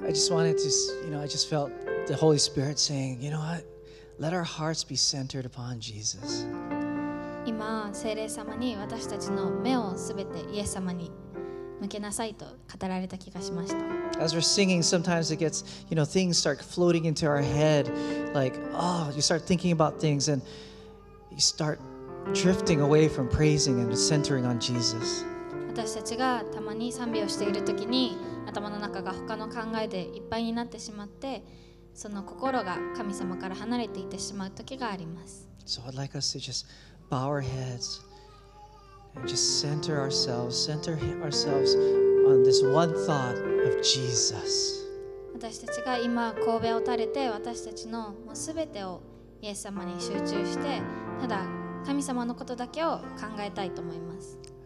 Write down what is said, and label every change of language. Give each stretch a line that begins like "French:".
English: wanted to, you know, I just felt the Holy Spirit saying, you know what? Let our hearts be centered upon Jesus.
Japanese: 今、聖霊様に私たちの目をすべてイエス様に向けなさいと語られた気がしました。
English: As we're singing, sometimes it gets, you know, things start floating into our head, like, oh, you start thinking about things and you start drifting away from praising and centering on Jesus.
Japanese: 私たちがたまに賛美をしているときに、頭の中が他の考えでいっぱいになってしまって、その心が神様から離れていってしまうときがあります。
English: So I'd like us to just bow our heads and just center ourselves on this one thought of Jesus.
Japanese: 私たちが今、頭を垂れて、私たちのもうすべてをイエス様に集中して、ただ神様のことだけを考えたいと思います。